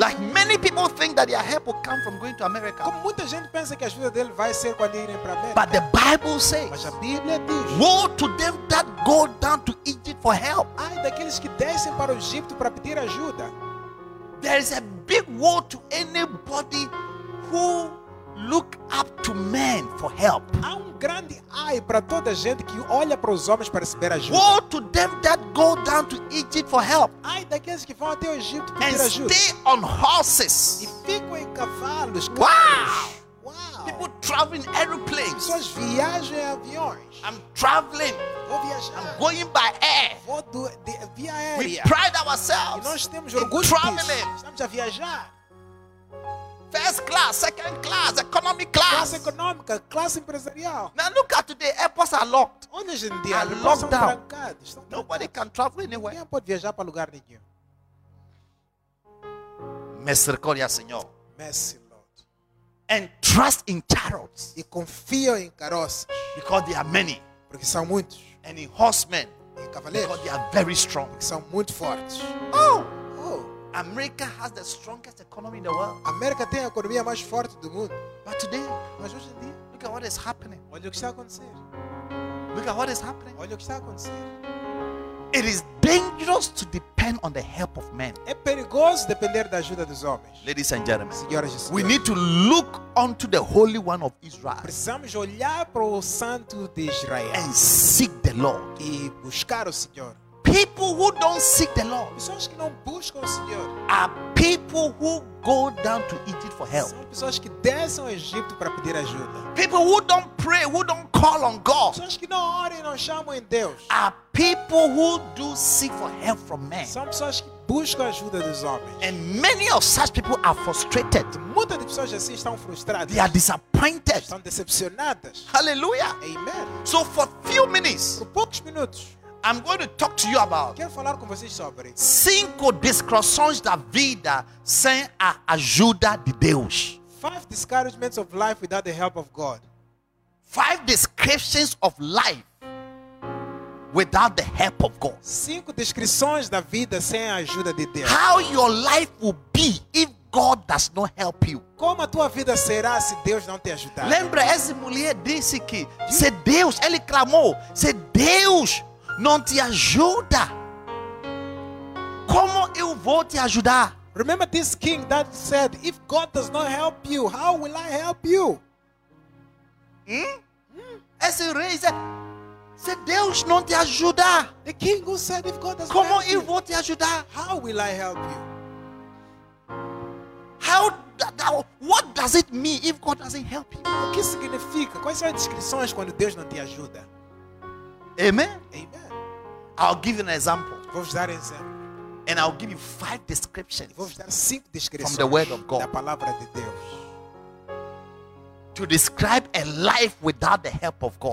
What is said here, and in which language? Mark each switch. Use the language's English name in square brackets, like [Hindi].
[English] Like many people think that their help will come from going to America. [Portuguese] Como muita gente pensa que a ajuda dele vai ser quando irem para América. [English] But the Bible says. [Portuguese] Mas a Bíblia diz. [English] Woe to them that go down to Egypt for help. [Portuguese] Ai daqueles que descem para o Egito para pedir ajuda. [English] There is a big woe to anybody who look up to men for help. [Portuguese] Há um grande ai para toda a gente que olha para os homens para receber ajuda. [English] Woe to them that go down to Egypt for help. [Portuguese] Ai daqueles que vão até o Egito pedir ajuda. [English] stay on horses. [Portuguese] E ficam em cavalos. Wow! Wow! [English] People traveling aeroplanes. [Portuguese] Pessoas viajam em aviões. [English] I'm traveling. [Portuguese] Vou viajar. [English] I'm going by air. [Portuguese] Vou via aérea. [English] We pride ourselves. [Portuguese] E nós temos orgulho. [English] Traveling. [Portuguese] Estamos a viajar. [English] First class, second class, economy class. [Portuguese] Classe econômica, classe empresarial. [English] Now look at today, airports are locked. [Portuguese] Onde hoje em dia, [English] are locked down. Nobody can travel anywhere. [Portuguese] Ninguém pode viajar para lugar nenhum. Misericórdia, Senhor. [English] Mercy, Lord. And trust in chariots. [Portuguese] E confio em carroças. [English] Because they are many. [Portuguese] Porque são muitos. [English] And in horsemen. [Portuguese] E cavaleiros. [English] Because they are very strong. [Portuguese] Porque são muito fortes. Oh! [English] America has the strongest economy in the world. [Portuguese] América tem a economia mais forte do mundo. [English] But today, [Portuguese] mas hoje em dia, [English] look at what is happening. [Portuguese] Olha o que está acontecendo. [English] Look at what is happening. [Portuguese] Olha o que está acontecendo. [English] It is dangerous to depend on the help of men. [Portuguese] É perigoso depender da ajuda dos homens. [English] Ladies and gentlemen, [Portuguese] senhoras e senhores, [English] we need to look unto the Holy One of Israel. [Portuguese] Precisamos olhar para o Santo de Israel. [English] And seek the Lord. [Portuguese] E buscar o Senhor. [English] People who don't seek the Lord. [Portuguese] Pessoas que não buscam o Senhor. [English] Are people who go down to Egypt for help. [Portuguese] São pessoas que descem ao Egito para pedir ajuda. [English] People who don't pray, who don't call on God. [Portuguese] Pessoas que não oram e não chamam em Deus. [English] Are people who do seek for help from men. [Portuguese] São pessoas que buscam ajuda dos homens. [English] And many of such people are frustrated. [Portuguese] Muitas de pessoas assim estão frustradas. [English] They are disappointed. [Portuguese] Estão decepcionadas. Hallelujah. Amen. [English] So for few minutes. [Portuguese] Por poucos minutos. [English] I'm going to talk to you about. [Portuguese] Quero falar com vocês sobre. Cinco discussões da vida sem a ajuda de Deus. [English] Five discouragements of life without the help of God. Five descriptions of life without the help of God. [Portuguese] Cinco descrições da vida sem a ajuda de Deus. [English] How your life will be if God does not help you. [Portuguese] Como a tua vida será se Deus não te ajudar? Lembra, essa mulher disse que se Deus, ele clamou, se Deus não te ajuda, como eu vou te ajudar? [English] Remember this king that said, if God does not help you, how will I help you? [Portuguese] Esse rei disse, se Deus não te ajudar, [English] the king who said, if God does not help you, [Portuguese] como eu vou te ajudar? [English] How will I help you? How what does it mean if God doesn't help you? [Portuguese] O que significa? Quais são as descrições quando Deus não te ajuda? Amen. Amen. [English] I'll give you an example. [Portuguese] Vou dar exemplo. [English] And I'll give you five descriptions. [Portuguese] Vou dar cinco descrições [English] from the word of God. [Portuguese] Da palavra de Deus. [English] To describe a life without the help of God.